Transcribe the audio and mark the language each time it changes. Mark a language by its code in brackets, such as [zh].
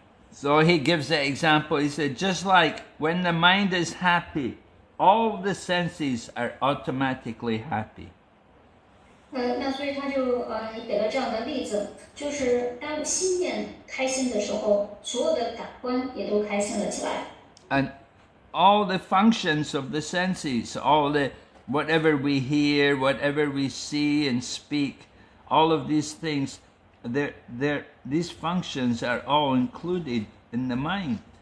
[en] So he gives the example, he said, just like when the mind is happy, all the senses are automatically happy. [zh] 那所以他就给了这样的例子，就是当心念开心的时候，所有的感官也都开心了起来。And [en] all the functions of the senses, all the whatever we hear, whatever we see and speak, all of these things, these functions are all included in the mind.